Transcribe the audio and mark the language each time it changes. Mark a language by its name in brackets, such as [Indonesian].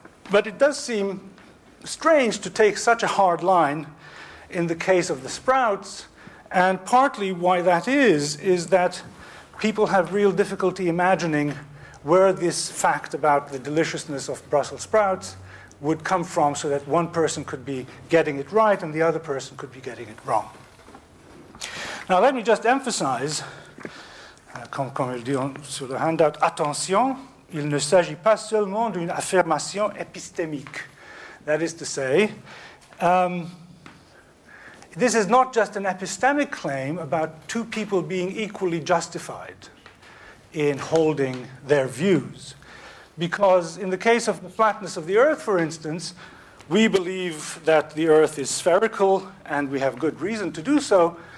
[English] But it does seem strange to take such a hard line in the case of the sprouts, and partly why that is that people have real difficulty imagining where this fact about the deliciousness of Brussels sprouts would come from, so that one person could be getting it right and the other person could be getting it wrong. Now, let me just emphasize, [French] comme il dit sur le handout, attention, il ne s'agit pas seulement d'une affirmation épistémique. [English] That is to say, this is not just an epistemic claim about two people being equally justified in holding their views. Because in the case of the flatness of the Earth, for instance, we believe that the Earth is spherical, and we have good reason to do so.